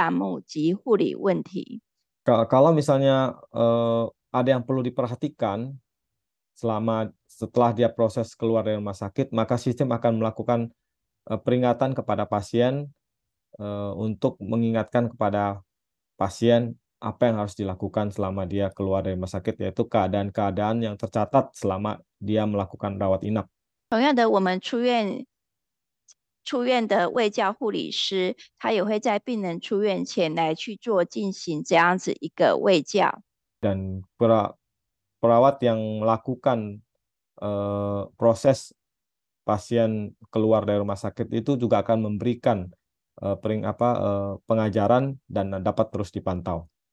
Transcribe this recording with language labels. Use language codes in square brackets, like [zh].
[zh] 病人如果这一次入院，他有一个新的造瘘口，我们在我们的评估当中会把它勾选，那系统就会自动带出他主要的一个护理指导的项目及护理问题。 [id] Kalau misalnya ada yang perlu diperhatikan selama setelah dia proses keluar dari rumah sakit, maka sistem akan melakukan peringatan kepada pasien untuk mengingatkan kepada pasien apa yang harus dilakukan selama dia keluar dari rumah sakit, yaitu keadaan-keadaan yang tercatat selama dia melakukan rawat inap. [zh] 同样的，我们出院的卫教护理师，他也会在病人出院前来去做进行这样子一个卫教。 [id] Dan perawat yang melakukan proses pasien keluar dari rumah sakit itu juga akan memberikan pengajaran dan dapat terus dipantau.